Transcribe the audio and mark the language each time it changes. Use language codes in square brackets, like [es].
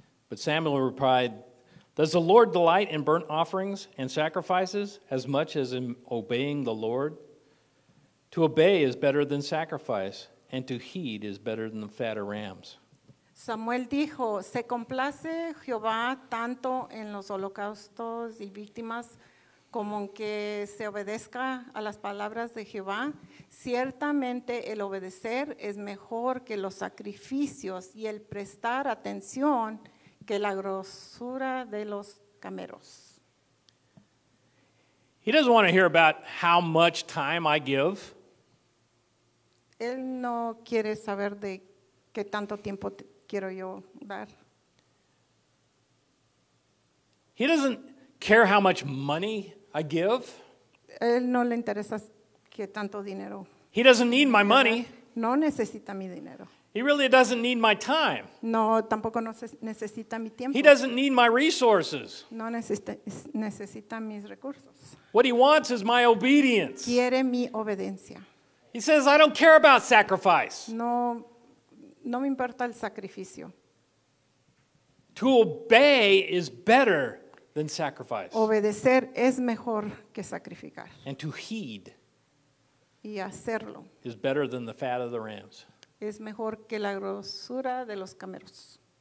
[en] But Samuel replied, "Does the Lord delight in burnt offerings and sacrifices as much as in obeying the Lord? To obey is better than sacrifice, and to heed is better than the fat of rams." [es] Samuel dijo, ¿se complace Jehová tanto en los holocaustos y víctimas como en que se obedezca a las palabras de Jehová? Ciertamente el obedecer es mejor que los sacrificios y el prestar atención que la grosura de los cameros. [en] He doesn't want to hear about how much time I give. [es] Él no quiere saber de qué tanto tiempo quiero yo dar. [en] He doesn't care how much money I give. [es] Él no le interesa qué tanto dinero. [en] He doesn't need my money. [es] No necesita mi dinero. [en] He really doesn't need my time. [es] No, tampoco necesita mi tiempo. [en] He doesn't need my resources. [es] No necesita mis recursos. [en] What he wants is my obedience. [es] Quiere mi obediencia. [en] He says, I don't care about sacrifice. [es] No me importa el sacrificio. [en] To obey is better than sacrifice. [es] Obedecer es mejor que sacrificar. [en] And to heed [es] y hacerlo [en] is better than the fat of the rams. [es] Es mejor que la grosura de los cameros.